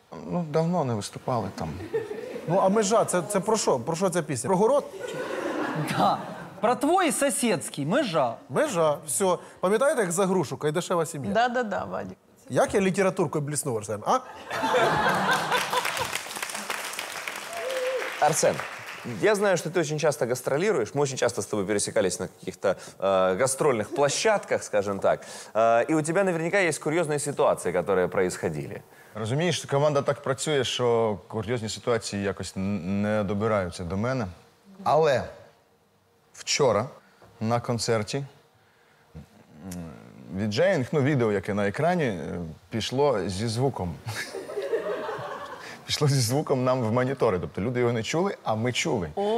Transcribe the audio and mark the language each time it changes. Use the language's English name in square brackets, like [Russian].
[Ukrainian] Ну, давно не виступали там. Ну, а межа, це про що? Про що ця пісня? Про город? Да. Про твой сусідський, межа. Межа, все. Пам'ятаєте, як за грушу, Кайдашева сім'я? Да, Вадик. Як я літературкою бліснув, Арсен, а? [Russian] Арсен, я знаю, что ты очень часто гастролируешь. Мы очень часто с тобой пересекались на каких-то гастрольных площадках, скажем так. И у тебя наверняка есть курьезные ситуации, которые происходили. [Ukrainian] Разумеешь, что команда так працює, [Russian] что курьезные ситуации [Ukrainian] якось не добираются до мене. Але вчора на концерте віджеїнг, ну, видео, яке на экране, пішло зі звуком. Пішло зі звуком нам в монітори. Тобто люди його не чули, а ми чули.